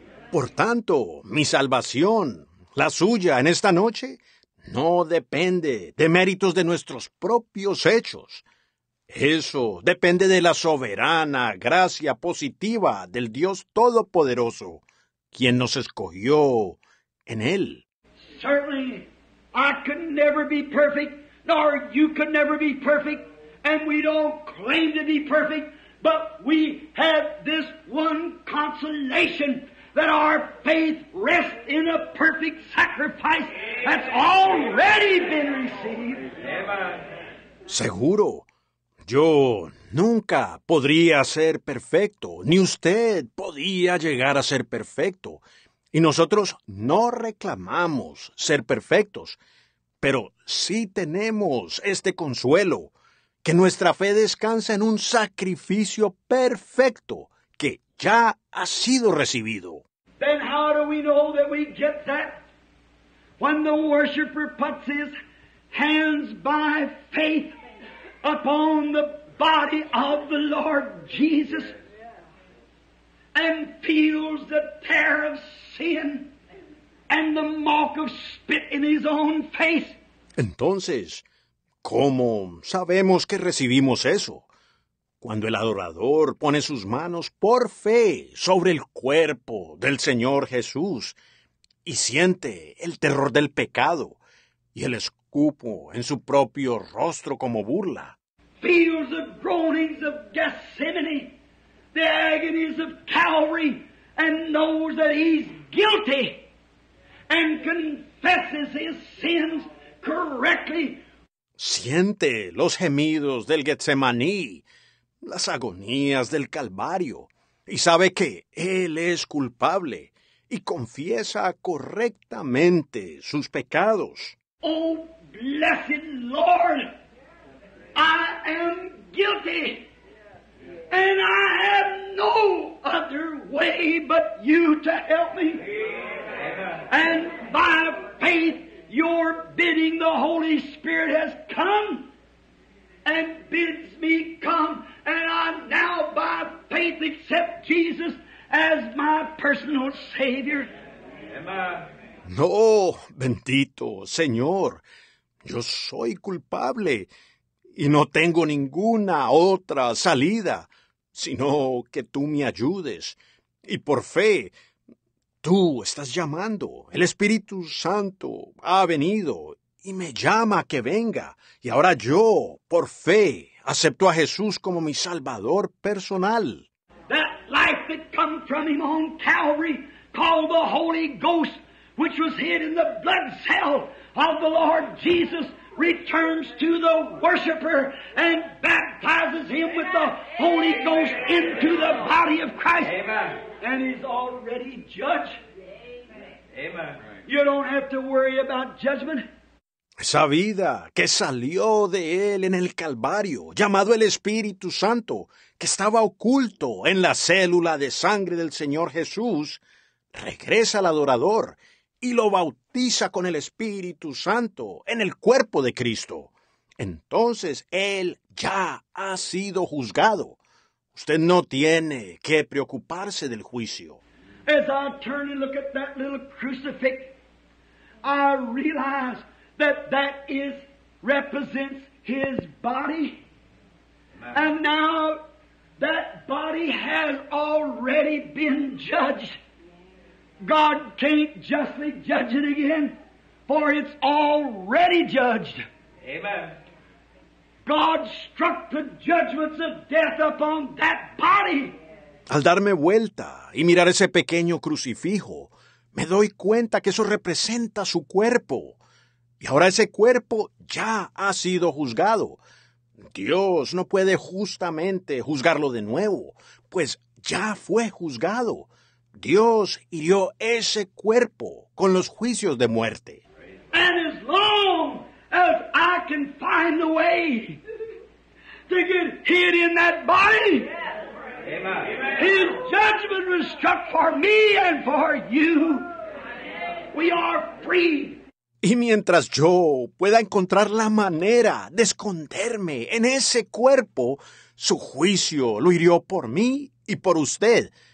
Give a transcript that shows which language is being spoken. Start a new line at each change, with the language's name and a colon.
Spanish: Por tanto, mi salvación, la suya en esta noche, no depende de méritos de nuestros propios hechos. Eso depende de la soberana gracia positiva del Dios Todopoderoso, quien nos escogió en Él.
English: Certainly, I could never be perfect, nor you could never be perfect, and we don't claim to be perfect. But we have this one consolation that our faith rests in a perfect sacrifice that's already been received.
Spanish: Seguro, yo nunca podría ser perfecto, ni usted podía llegar a ser perfecto. Y nosotros no reclamamos ser perfectos, pero sí tenemos este consuelo. Que nuestra fe descansa en un sacrificio perfecto que ya ha sido recibido.
English: Then how do we know that we get that? When the worshiper puts his hands by faith upon the body of the Lord Jesus and feels the tear of sin and the mark of spit in his own face.
Spanish: Entonces, ¿cómo sabemos que recibimos eso? Cuando el adorador pone sus manos por fe sobre el cuerpo del Señor Jesús y siente el terror del pecado y el escupo en su propio rostro como burla.
English: Feels the groanings of Gethsemane, the agonies of Calvary, and knows that he's guilty and confesses his sins correctly.
Spanish: Siente los gemidos del Getsemaní, las agonías del Calvario, y sabe que él es culpable y confiesa correctamente sus pecados.
English: Oh, blessed Lord, I am guilty, and I have no other way but you to help me. And by faith, your bidding, the Holy Spirit has come and bids me come, and I now by faith accept Jesus as my personal Savior.
Spanish: No, bendito Señor, yo soy culpable y no tengo ninguna otra salida, sino que tú me ayudes y por fe. Tú estás llamando, el Espíritu Santo ha venido y me llama a que venga. Y ahora yo, por fe, acepto a Jesús como mi Salvador personal.
English: That life that come from him on Calvary, called the Holy Ghost, which was hid in the blood cell of the Lord Jesus, returns to the worshiper and baptizes him with the Holy Ghost into the body of Christ. Amen. And he's already judged. Amen. You don't have to worry about judgment.
Spanish: Esa vida que salió de él en el Calvario, llamado el Espíritu Santo, que estaba oculto en la célula de sangre del Señor Jesús, regresa al adorador y lo bautiza bautiza con el Espíritu Santo en el cuerpo de Cristo, entonces él ya ha sido juzgado. Usted no tiene que preocuparse del juicio.
English: As I turn and look at that little crucifix, I realize that that is represents his body. And now that body has already been judged. God can't justly judge it again, for it's already judged. Amen. God struck the judgments of death upon that body.
Spanish: Al darme vuelta y mirar ese pequeño crucifijo, me doy cuenta que eso representa su cuerpo. Y ahora ese cuerpo ya ha sido juzgado. Dios no puede justamente juzgarlo de nuevo, pues ya fue juzgado. Dios hirió ese cuerpo con los juicios de muerte.
English: And as long as I can find a way to get hit in that body, his judgment was struck for me and for you. We are free.
Spanish: Y mientras yo pueda encontrar la manera de esconderme en ese cuerpo, su juicio lo hirió por mí y por usted.